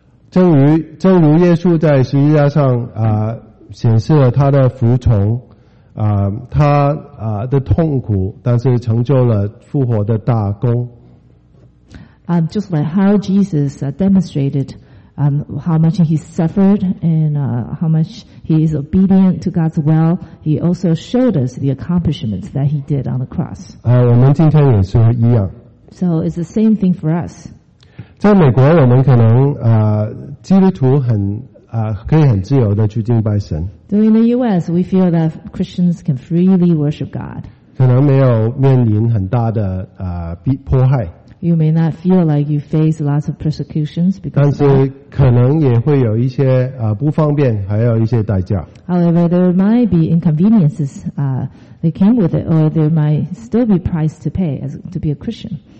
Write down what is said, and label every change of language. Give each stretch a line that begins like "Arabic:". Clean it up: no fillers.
Chinese: 正如耶稣在十字架上显示了他的服从他的痛苦，但是成就了复活的大功。
English: Just like how Jesus demonstrated how much he suffered and how much he is obedient to God's will, he also showed us the accomplishments that he did on the cross.
Chinese: 我们今天也是一样。
English: So it's the same thing for us.
Chinese: 在美国，我们可能基督徒很可以很自由的去敬拜神。
English: So in the U.S., we feel that Christians can freely worship God.
Chinese: 可能没有面临很大的迫害。
English: You may not feel like you face lots of persecutions because.
Chinese: 但是可能也会有一些不方便，还有一些代价。
English: However, there might be inconveniences that came with it, or there might still be price to pay as to be a Christian.